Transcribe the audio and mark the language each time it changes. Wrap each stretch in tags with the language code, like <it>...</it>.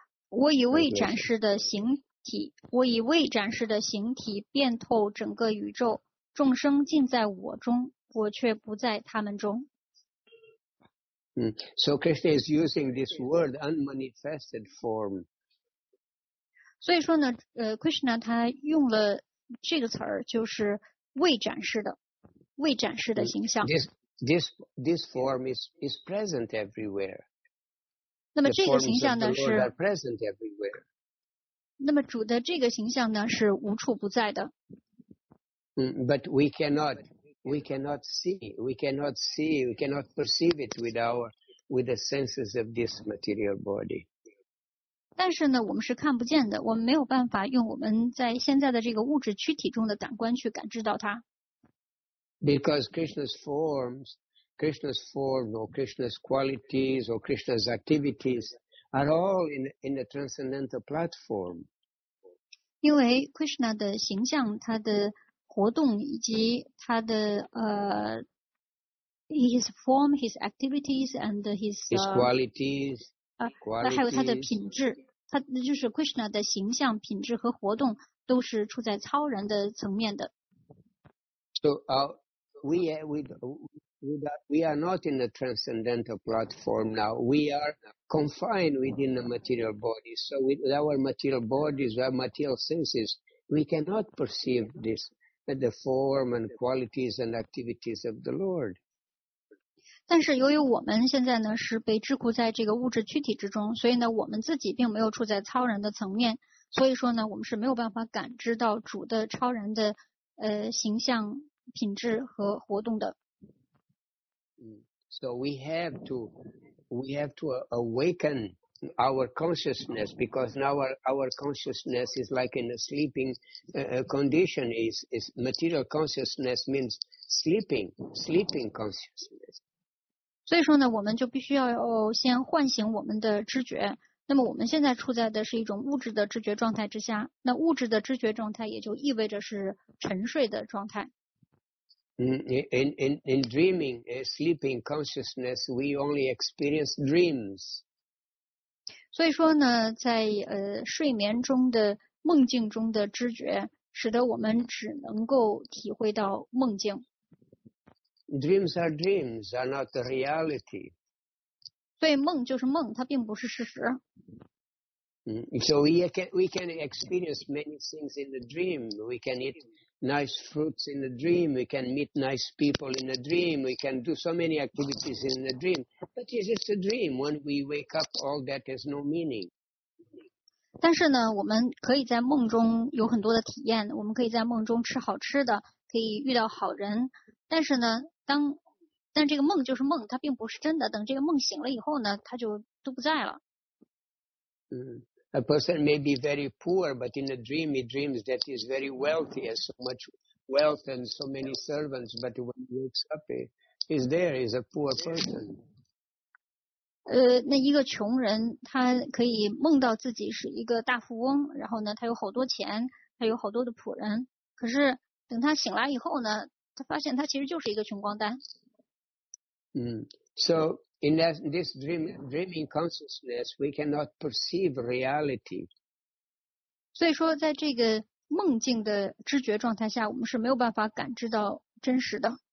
<zh>我以未展示的形体，我以未展示的形体遍透整个宇宙，众生尽在我中，我却不在他们中。</zh> <en>So Krishna is using this word unmanifested form.</en> <zh>所以说呢，Krishna 他用了这个词儿，就是未展示的，未展示的形象。</zh> <en>This form is present everywhere.</en> <zh>那么这个形象呢是</zh> <en>the forms of the Lord are present everywhere.</en> <zh>那么主的这个形象呢是无处不在的。</zh> <en>But we cannot perceive it with the senses of this material body.</en> <zh>但是呢我们是看不见的，我们没有办法用我们在现在的这个物质躯体中的感官去感知到它。</zh> <en>Because Krishna's form or Krishna's qualities or Krishna's activities are all in the transcendental platform.</en> <zh>因为 Krishna 的形象，他的活动以及他的</zh> <en>his form, his activities and his qualities,</en> <zh>还有他的品质，他就是 Krishna 的形象、品质和活动都是处在超然的层面的。</zh> <en>So we are not in the transcendental platform now. We are confined within the material body. So with our material bodies, our material senses, we cannot perceive this, the form and qualities and activities of the Lord.</en> <zh>但是由于我们现在呢是被桎梏在这个物质躯体之中，所以呢我们自己并没有处在超然的层面，所以说呢我们是没有办法感知到主的超然的形象、品质和活动的。</zh> <en>So we have to awaken our consciousness, because now our consciousness is like in a sleeping condition. Is material consciousness means sleeping consciousness.</en> <zh>所以说呢，我们就必须要先唤醒我们的知觉。那么我们现在处在的是一种物质的知觉状态之下，那物质的知觉状态也就意味着是沉睡的状态。</zh> <en>In dreaming, sleeping consciousness, we only experience dreams.</en> <zh>所以说呢，在睡眠中的梦境中的知觉，使得我们只能够体会到梦境。</zh> <en>Dreams are not the reality.</en> <zh>所以梦就是梦，它并不是事实。</zh> <en>So we can experience many things in the dream. We can eat nice fruits in the dream. We can meet nice people in the dream. We can do so many activities in the dream. But it's just a dream. When we wake up, all that has no meaning.</en> <zh>但是呢，我们可以在梦中有很多的体验，我们可以在梦中吃好吃的，可以遇到好人。但是呢，但这个梦就是梦，它并不是真的。等这个梦醒了以后呢，它就都不在了。</zh> <en>A person may be very poor, but in a dream he dreams that he is very wealthy, has so much wealth and so many servants. But when he wakes up, he's there, he's a poor person.</en> <zh>那一个穷人，他可以梦到自己是一个大富翁，然后呢，他有好多钱，他有好多的仆人。可是等他醒来以后呢，他发现他其实就是一个穷光蛋。</zh> <en>So in this dreaming consciousness, we cannot perceive reality.</en> <zh>所以说，在这个梦境的知觉状态下，我们是没有办法感知到真实的。</zh>